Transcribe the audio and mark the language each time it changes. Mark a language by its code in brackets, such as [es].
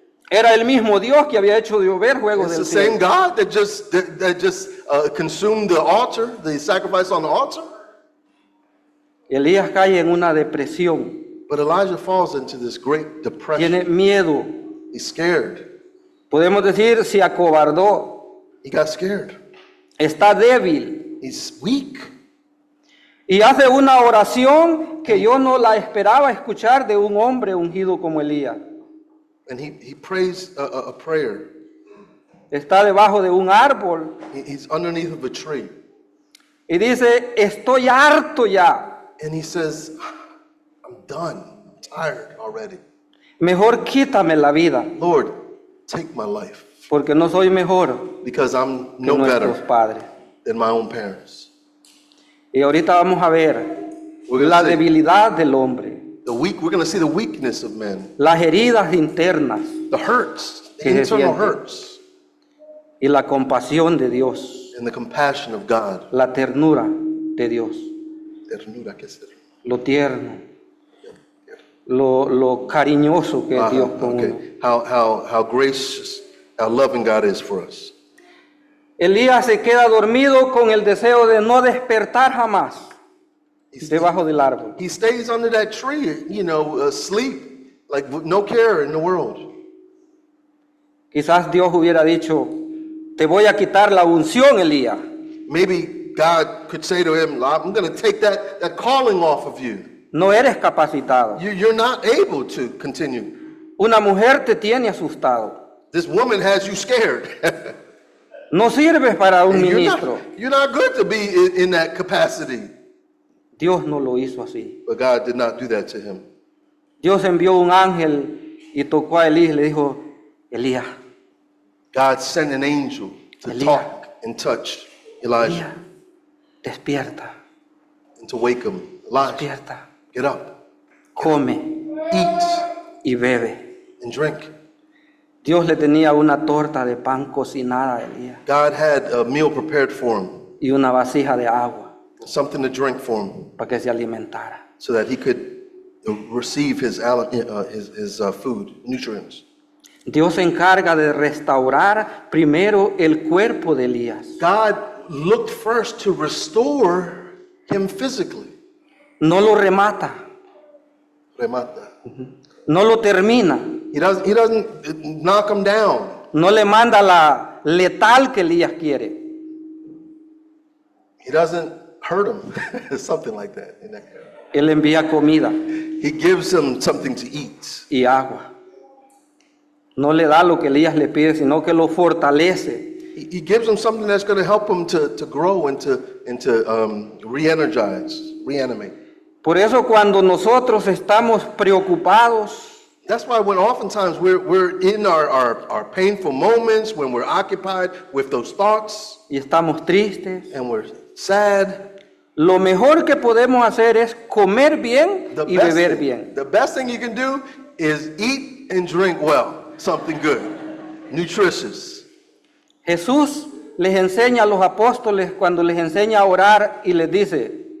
[es] Era el mismo Dios que había hecho llover fuego del cielo. [en] It's the same God that just consumed the altar, the sacrifice on the altar. [es] Elías cae en una depresión. [en] But Elijah falls into this great depression. [es] Tiene miedo. [en] He's scared. [es] Podemos decir, se acobardó. [en] He got scared. [es] Está débil. [en] He's weak. [es] Y hace una oración que yo no la esperaba escuchar de un hombre ungido como Elías. [en] And he prays a prayer. [es] Está debajo de un árbol. [en] He's underneath of a tree. [es] Y dice, estoy harto ya. [en] And he says, done. I'm tired already. [es] Mejor quítame la vida. [en] Lord, take my life. [es] Porque no soy mejor. [en] Because I'm no better [es] padres. [en] Than my own parents. [es] Y ahorita vamos a ver la debilidad del hombre. [en] We're going to see the weakness of men. [es] Las heridas internas. [en] The hurts. The internal hurts. [es] Y la compasión de Dios. [en] And the compassion of God. [es] La ternura de Dios. Ternura, ¿qué será? Lo tierno. Lo cariñoso que es Dios con [en] okay. [es] Uno. [en] How gracious, how loving God is for us. [es] Elías se queda dormido con el deseo de no despertar jamás debajo del árbol. [en] He stays under that tree, you know, asleep, like no care in the world. [es] Quizás Dios hubiera dicho, te voy a quitar la unción, Elías. [en] Maybe God could say to him, I'm going to take that calling off of you. [es] No eres capacitado. [en] You're not able to continue. [es] Una mujer te tiene asustado. [en] This woman has you scared. [es] No sirves para un [en] you're [es] ministro. [en] You're not good to be in that capacity. [es] Dios no lo hizo así. [en] But God did not do that to him. [es] Dios envió un ángel y tocó a Elías y le dijo, Elías. [en] God sent an angel to [es] Elías, [en] talk and touch Elijah. [es] Elías, despierta. [en] And to wake him. Elijah, [es] despierta. [en] Get up. Come. Eat. [es] Y bebe. [en] And drink. [es] Dios le tenía una torta de pan cocinada a Elías. [en] God had a meal prepared for him. [es] Y una vasija de agua. [en] Something to drink for him. [es] Para que se alimentara. [en] So that he could receive his food, nutrients. [es] Dios se encarga de restaurar primero el cuerpo de Elías. [en] God looked first to restore him physically. [es] No lo remata. Remata. No lo termina. [en] He doesn't knock him down. [es] No le manda la letal que Elías quiere. [en] He doesn't hurt him. Something like that. [es] Él envía comida. [en] He gives him something to eat. [es] Y agua. No le da lo que Elías le pide, sino que lo fortalece. [en] He gives him something that's going to help him to grow and to re-energize, reanimate. [es] Por eso cuando nosotros estamos preocupados, [en] that's why when oftentimes we're in our painful moments, when we're occupied with those thoughts, [es] y estamos tristes, [en] and we're sad, [es] lo mejor que podemos hacer es comer bien y beber bien. [en] The best thing you can do is eat and drink well. Something good, nutritious. [es] Jesús les enseña a los apóstoles cuando les enseña a orar y les dice.